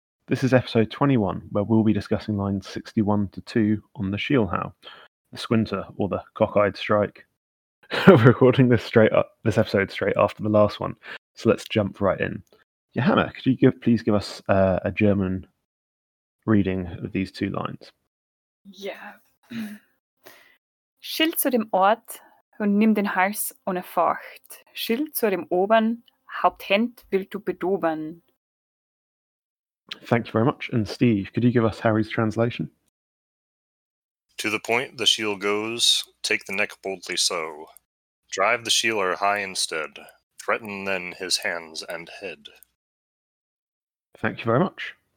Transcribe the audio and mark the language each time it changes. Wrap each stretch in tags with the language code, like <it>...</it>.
<en>This is episode 21, where we'll be discussing lines 61 to 2 on the Shielhau, the Squinter, or the Cockeyed Strike. We're recording this episode straight after the last one, so let's jump right in. Johanna, could you please give us a German reading of these two lines? Yeah.</en> <de>Schild zu dem Ort und nimm den Hals ohne Furcht. Schild zu dem Obern, Haupthänd willst du bedobern.</de> <en>Thank you very much. And Steve, could you give us Harry's translation? To the point the shield goes, take the neck boldly so. Drive the shielder high instead. Threaten then his hands and head. Thank you very much.</en>